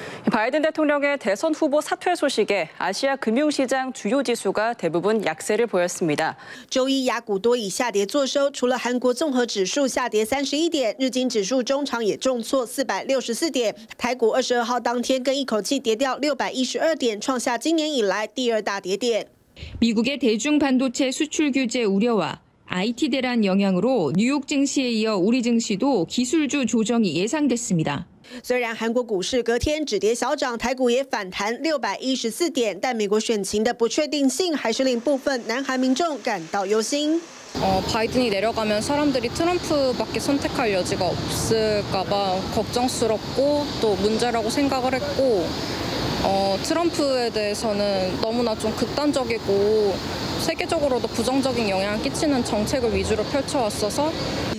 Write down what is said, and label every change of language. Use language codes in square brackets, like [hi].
[ko] 바이든대통령의대선후보사퇴소식에아시아금융시장주요지수가대부분약세를보였습니다 [zh] 周一雅股多以下跌作收，除了韩国综合指数下跌31点，日经指数中场也重挫464点，台股22号当天更一口气跌掉612点，创下今年以来第二大跌点。 [ko] 미국의대중반도체수출규제우려와IT 대란영향으로뉴욕증시에이어우리증시도기술주조정이예상됐습니다 [zh] 虽然韩国股市隔天止跌小涨，台股也反弹614点，但美国选情的不确定性还是令部分南韩民众感到忧心。 [ko] 바이든이내려가면사람들이트럼프밖에선택할여지가없을까봐걱정스럽고또문제라고생각을했고트럼프에대해서는너무나좀극단적이고세계적으로도부정적인영향을끼치는정책을위주로펼쳐왔어서